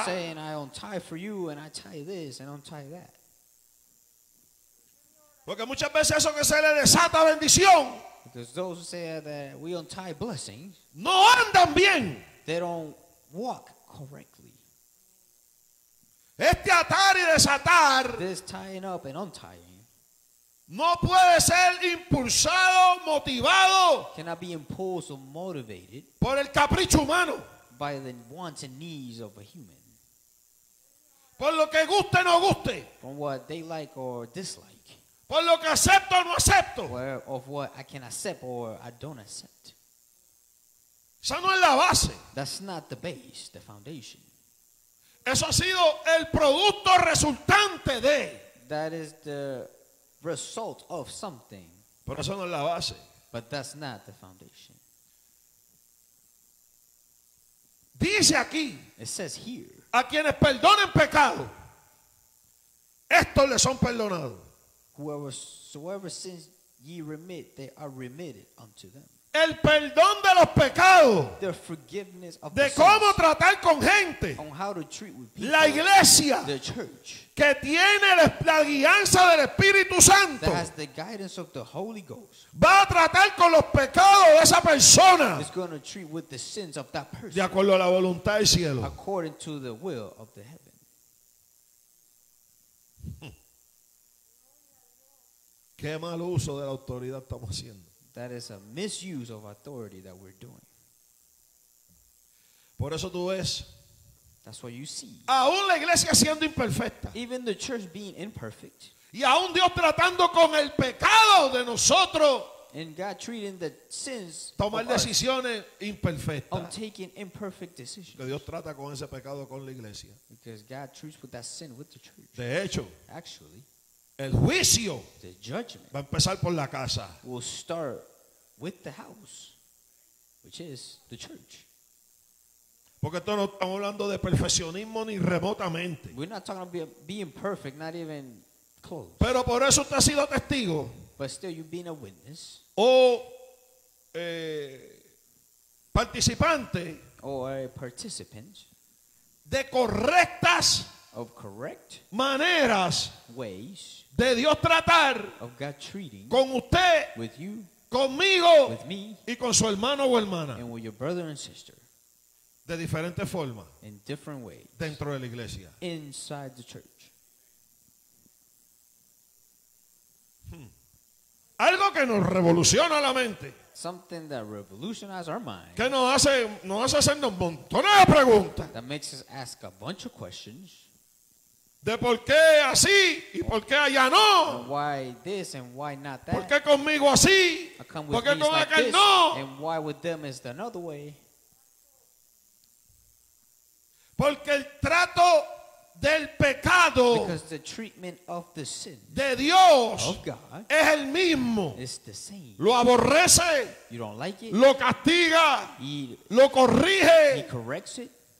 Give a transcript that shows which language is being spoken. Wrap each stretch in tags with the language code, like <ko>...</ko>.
<en>I'm saying I untie for you and I tie this and untie that.</en> <es>Porque muchas veces eso que se le desata bendición.</es> <en>Because those who say that we untie blessings.</en> <es>No andan bien.</es> <en>They don't walk correctly.</en> <es>Este atar y desatar.</es> <en>This tying up and untying.</en> <es>No puede ser impulsado, motivado.</es> <en>Cannot be impulsed or motivated.</en> <es>Por el capricho humano.</es> <en>By the wants and needs of a human.</en> <es>Por lo que guste o no guste.</es> <en>From what they like or dislike.</en> <es>Por lo que acepto o no acepto.</es> <en>Where, of what I can accept or I don't accept.</en> <es>Esa no es la base.</es> <en>That's not the base, the foundation.</en> <es>Eso ha sido el producto resultante de.</es> <en>That is the result of something.</en> <es>Pero eso no es la base.</es> <en>But that's not the foundation.</en> <es>Dice aquí.</es> <en>It says here.</en> <es>A quienes perdonen pecado, estos les son perdonados.</es> <en>Whoever sins ye remit, they are remitted unto them.</en> <es>El perdón de los pecados.</es> <en>The forgiveness of</en> <es>de</es> <en>the</en> <es>cómo</es> <en>sins,</en> <es>tratar con gente.</es> <en>On how to treat with people.</en> <es>La iglesia.</es> <en>The church.</en> <es>Que tiene la guianza del Espíritu Santo.</es> <en>That has the guidance of the Holy Ghost.</en> <es>Va a tratar con los pecados de esa persona.</es> <en>Is going to treat with the sins of that person.</en> <es>De acuerdo a la voluntad del cielo.</es> <en>According to the will of the heaven.</en> <es>Qué mal uso de la autoridad estamos haciendo.</es> <en>That is a misuse of authority that we're doing.</en> <es>Por eso tú ves.</es> <en>That's what you see.</en> <es>Aún la iglesia siendo imperfecta.</es> <en>Even the church being imperfect.</en> <es>Y aún Dios tratando con el pecado de nosotros.</es> <en>And God treating the sins.</en> <es>Tomar decisiones imperfectas.</es> <en>On taking imperfect decisions.</en> <es>Que Dios trata con ese pecado con la iglesia.</es> <en>Because God treats with that sin with the church.</en> <es>De hecho.</es> <en>Actually.</en> <es>El juicio</es> <en>the judgment</en> <es>va a empezar por la casa.</es> <en>Will start with the house, which is the church.</en> <es>Porque esto no estamos hablando de perfeccionismo ni remotamente.</es> <en>We're not talking about being perfect, not even close.</en> <es>Pero por eso usted ha sido testigo.</es> <en>But still you've been a witness.</en> <es>O participante.</es> <en>Or participant.</en> <es>De correctas.</es> <en>Of correct.</en> <es>Maneras.</es> <en>Ways.</en> <es>De Dios tratar.</es> <en>Of God treating.</en> <es>Con usted.</es> <en>With you.</en> <es>Conmigo.</es> <en>With me.</en> <es>Y con su hermano o hermana.</es> <en>And with your brother and sister.</en> <es>De diferentes formas.</es> <en>In different ways.</en> <es>Dentro de la iglesia.</es> <en>Inside the church.</en> <es>Algo que nos revoluciona la mente.</es> <en>Something that revolutionizes our mind.</en> <es>Que nos hace hacernos montones de preguntas.</es> <en>That makes us ask a bunch of questions.</en> <es>De por qué así y por qué allá no.</es> <en>And why this and why not that.</en> <es>Por qué conmigo así. Por qué con aquel no.</es> <en>And why with them is the another way.</en> <es>Porque el trato del pecado de Dios es el mismo. Lo aborrece,</es> <en>you don't like it.</en> <es>Lo castiga,</es> <en>he,</en> <es>lo corrige.</es> <en>He corrects it.</en>